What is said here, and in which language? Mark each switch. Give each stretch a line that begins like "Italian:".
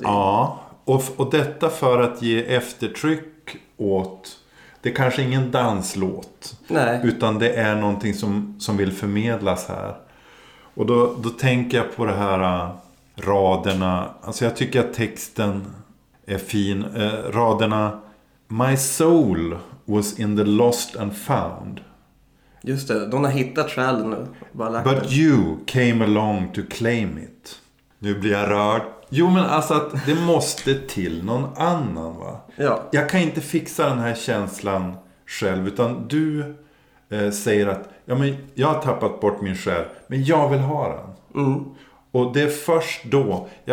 Swedish: Ja, och detta för att ge eftertryck åt... Det är kanske ingen danslåt. Nej. Utan det är någonting som vill förmedlas här. Och då tänker jag på det här raderna. Alltså jag tycker att texten är fin. Raderna:
English: My soul was in the lost and found.
Swedish: Just det, de har hittat själen nu.
English: But you came along to claim it.
Swedish: Nu blir jag rörd. Jo, men alltså att det måste till någon annan, va? Ja. Jag kan inte fixa den här känslan själv, utan du säger att ja, men jag har tappat bort min själ, men jag vill ha den. Mm. Och det är först då.